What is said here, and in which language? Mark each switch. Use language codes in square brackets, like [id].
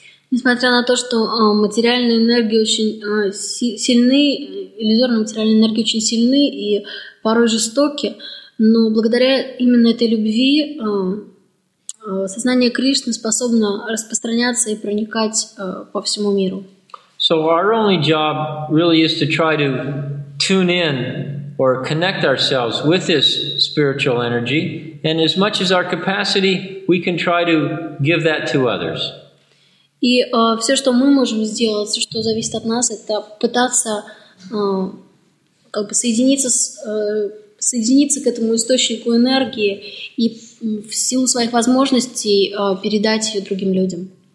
[ru] Несмотря на то, что материальные энергии очень сильны, иллюзорные материальные энергии очень сильны и порой жестоки, но благодаря именно этой любви сознание Кришны способно распространяться и проникать по всему миру. [en] So our only job really is to try to tune in or connect ourselves with this spiritual energy, and as much as our capacity, we can try to give that to others. [ru] И все, что мы можем сделать, все, что зависит от нас, это пытаться как бы соединиться к этому источнику энергии и в силу своих возможностей передать ее другим людям.